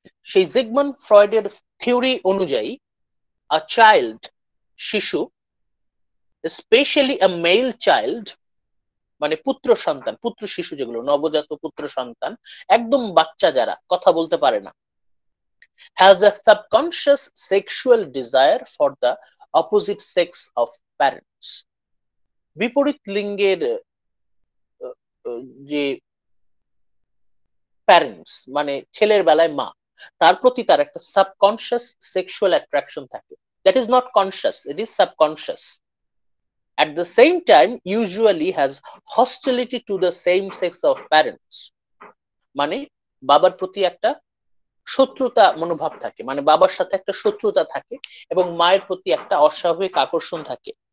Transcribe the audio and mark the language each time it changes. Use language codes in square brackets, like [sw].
[bn] সেই জিগমান্ড ফ্রয়েডের থিওরি অনুযায়ী [en] a child, [bn] শিশু, [en] specially a male child, [bn] মানে পুত্র সন্তান, পুত্র শিশু, যেগুলো নবজাত পুত্র সন্তান, একদম বাচ্চা যারা কথা বলতে পারে না, [en] Has a subconscious sexual desire for the opposite sex of parents. [bn] বিপরীত লিঙ্গের যে প্যারেন্টস, মানে ছেলের বেলায় মা, তার প্রতি তার একটা সাবকনশিয়াস সেক্সুয়াল অ্যাট্রাকশন থাকে, [en] That is not conscious, it is subconscious. At the same time, usually has hostility to the same sex of parents. [bn] মানে বাবার প্রতি একটা শত্রুতা মনোভাব থাকে, মানে বাবার সাথে একটা শত্রুতা থাকে এবং মায়ের প্রতি একটা অস্বাভাবিক আকর্ষণ থাকে।